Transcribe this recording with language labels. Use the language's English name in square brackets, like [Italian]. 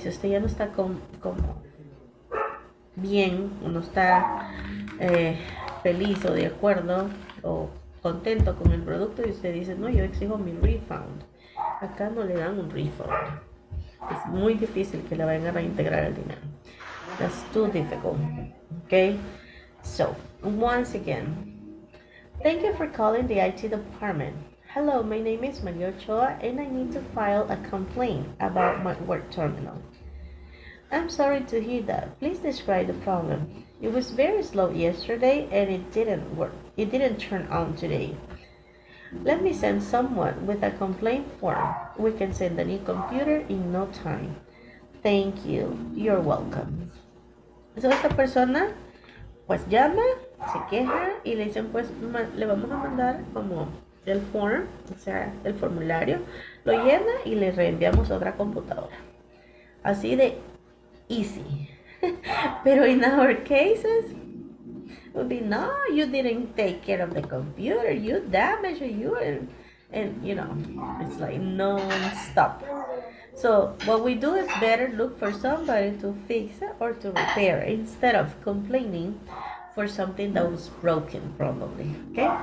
[Spanish] Si usted ya no está como bien, no está feliz o de acuerdo o contento con el producto y usted dice, no, yo exijo mi refund. Acá no le dan un refund. Es muy difícil que le vayan a reintegrar el dinero. [English] That's too difficult, ¿ok? So, once again, thank you for calling the IT department. Hello, my name is Maria Ochoa and I need to file a complaint about my work terminal. I'm sorry to hear that. Please describe the problem. It was very slow yesterday and it didn't work. It didn't turn on today. Let me send someone with a complaint form. We can send a new computer in no time. Thank you. You're welcome. [Spanish] So esta persona pues llama, se queja y le dicen, pues, le vamos a mandar como el form, o sea, el formulario, lo llena y le reenviamos otra computadora. Así de easy. [English] Pero in our cases, would be, no, you didn't take care of the computer, you damaged you, and you know, it's like non-stop. So, what we do is better look for somebody to fix or to repair instead of complaining for something that was broken, probably, okay?